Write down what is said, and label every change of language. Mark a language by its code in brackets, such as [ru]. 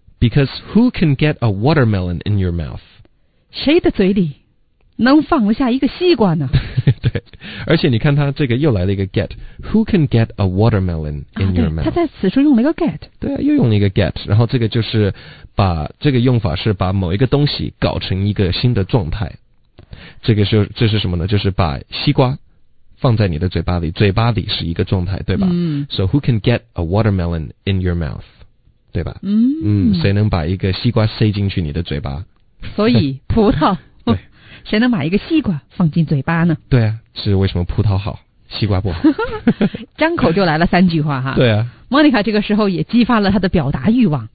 [en] because who can get a watermelon in your mouth? [zh] 谁的嘴里能放下一个西瓜呢？对，而且你看他这个又来了一个 get， [en] who can get a watermelon in、 [zh] 啊、 [en] your mouth？ [zh] 他在此处用了一个 get，对啊，又用了一个 get， 然后这个就是把这个用法是把某一个东西搞成一个新的状态，这个是这是什么呢？就是把西瓜放在你的嘴巴里，嘴巴里是一个状态，对吧？嗯。 [en] So who can get a watermelon in your mouth？ [zh] 对吧？嗯嗯，谁能把一个西瓜塞进去你的嘴巴？所以葡萄。谁能把一个西瓜放进嘴巴呢？对啊，是为什么葡萄好西瓜不好张口就来了三句话哈。对啊， Monica 这个时候也激发了他的表达欲望，